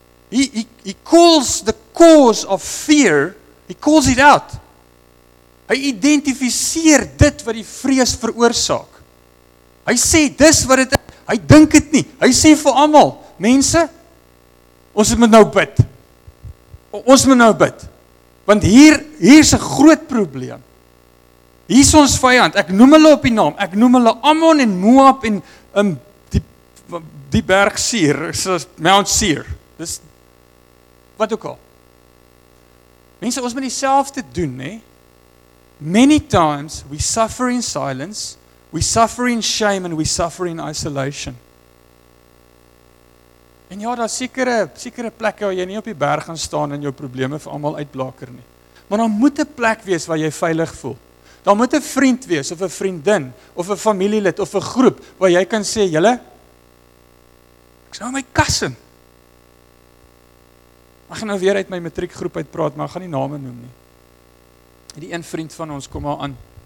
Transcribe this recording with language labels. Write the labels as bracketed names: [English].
[English] He calls the cause of fear, he calls it out. [Afrikaans] Hy identifiseer dit wat die vrees veroorsaak. Hy sê, dis wat dit is. Hy dink dit nie. Hy sê vir almal, mense, ons moet nou bid. Ons moet nou bid. Want hier is 'n groot probleem. Hier is ons vyand. Ek noem hulle op die naam. Ek noem hulle Ammon en Moab en die berg Seir, Mount Seir. Dis wat ook al. Mense, ons moet dieselfde doen, hè? [English] Many times we suffer in silence, we suffer in shame and we suffer in isolation. [Afrikaans] En ja, daar's sekere plekke waar jy nie op die berg gaan staan en jou probleme vir almal uitblaker nie. Maar daar moet 'n plek wees waar jy veilig voel. Daar moet 'n vriend wees of 'n vriendin of 'n familielid of 'n groep waar jy kan sê, "Julle, ek sou my kassin. Mag nou weer uit my matriekgroep uitpraat, maar ek gaan nie name noem nie." Die een vriend van ons kom maar aan.